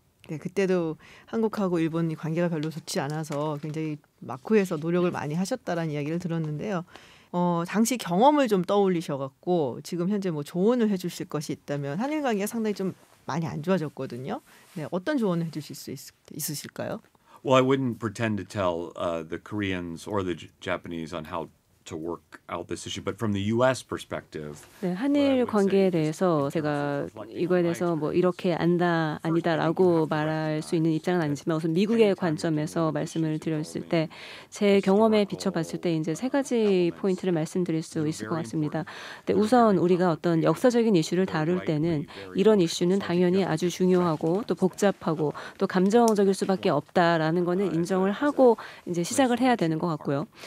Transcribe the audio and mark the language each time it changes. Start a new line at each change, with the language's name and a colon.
Korean: 네, 그때도 한국하고 일본이 관계가 별로 좋지 않아서 굉장히 막후에서 노력을 많이 하셨다라는 이야기를 들었는데요. 당시 경험을 좀 떠올리셔갖고 지금 현재 뭐 조언을 해주실 것이 있다면 한일 관계가 상당히 좀 많이 안 좋아졌거든요. 네, 어떤 조언을 해주실 수 있으실까요?
English: Well, I wouldn't pretend to tell the Koreans or the Japanese on how to work out this issue, but from the U.S. perspective,
Korean: 네, 한일 관계에 대해서 제가 이거에 대해서 뭐 이렇게 안다 아니다라고 말할 수 있는 입장은 아니지만 우선 미국의 관점에서 말씀을 드렸을 때 제 경험에 비춰봤을 때 이제 세 가지 포인트를 말씀드릴 수 있을 것 같습니다. 근데 우선 우리가 어떤 역사적인 이슈를 다룰 때는 이런 이슈는 당연히 아주 중요하고 또 복잡하고 또 감정적일 수밖에 없다라는 거는 인정을 하고 이제 시작을 해야 되는 것 같고요.